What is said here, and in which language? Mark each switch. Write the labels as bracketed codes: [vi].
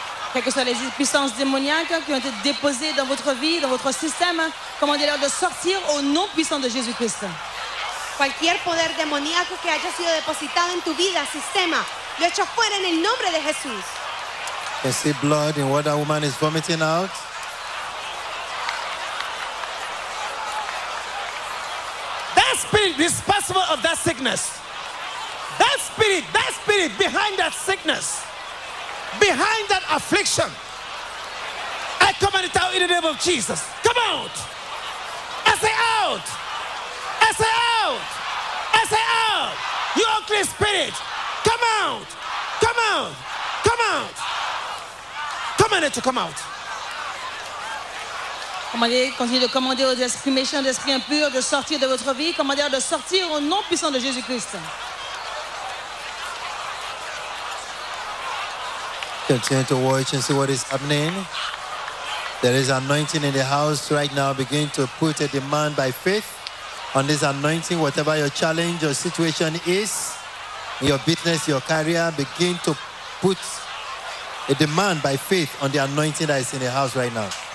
[fr] Quelles que soient les puissances démoniaques qui ont été déposées dans votre vie, dans votre système, commandez-leur de sortir au nom puissant de Jésus-Christ. [es] Cualquier poder demoníaco que haya sido depositado en tu vida, sistema, lo echo fuera en el nombre de Jesús. [en] You see blood in what that woman is vomiting out? That spirit responsible of that sickness. That spirit behind that sickness. Behind that affliction. I command it out in the name of Jesus. Come out. I say out. I say out! I say out! You ugly spirit! Come out! Come out! Come out! Commandez to come out! [fr] Commandez, continuez de commander aux esprits méchants, d'esprits impurs, de sortir de votre vie. Commandez de sortir au nom puissant de Jésus-Christ. [en] Continue to watch and see what is happening. There is anointing in the house right now. Begin to put a demand by faith. On this anointing, whatever your challenge or situation is, your business, your career, begin to put a demand by faith on the anointing that is in the house right now.